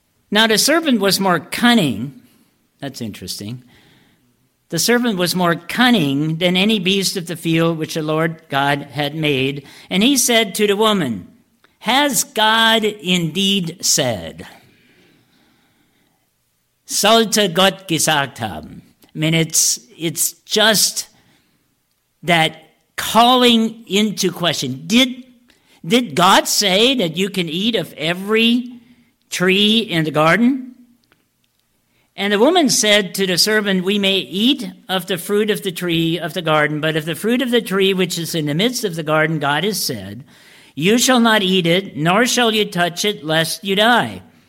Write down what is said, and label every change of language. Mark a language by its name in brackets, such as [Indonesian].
[English] Now the serpent was more cunning. That's interesting. The serpent was more cunning than any beast of the field which the Lord God had made. And he said to the woman, has God indeed said? [German] Sollte Gott gesagt haben. [English] I mean, it's just that calling into question. Did God say that you can eat of every tree in the garden? And the woman said to the serpent, we may eat of the fruit of the tree of the garden, but of the fruit of the tree which is in the midst of the garden, God has said, you shall not eat it, nor shall you touch it, lest you die.